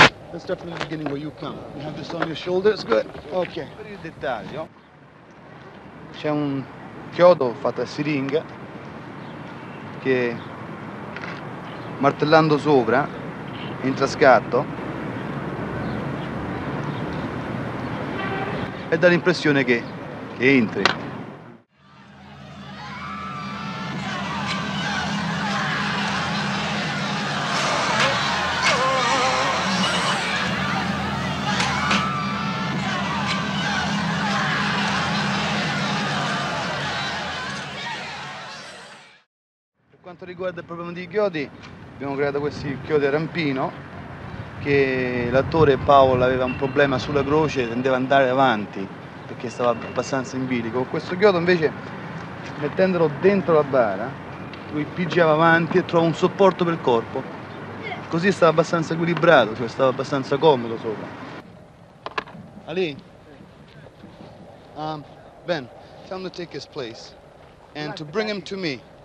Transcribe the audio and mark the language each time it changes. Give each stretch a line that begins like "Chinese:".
English: Let's start from the beginning where you come. You have this on your shoulders, good.
Italian: Ok. Per il dettaglio, c'è un chiodo fatto a siringa che, martellando sopra, in trascatto, e dà l'impressione che entri. Riguarda il problema dei chiodi, abbiamo creato questi chiodi a rampino, che l'attore Paolo aveva un problema sulla croce, tendeva ad andare avanti perché stava abbastanza in bilico. Questo chiodo invece, mettendolo dentro la bara, lui pigiava avanti e trovava un supporto per il corpo, così stava abbastanza equilibrato, cioè stava abbastanza comodo sopra.
English: Ali, Ben, tell him to take his place and to bring him to me.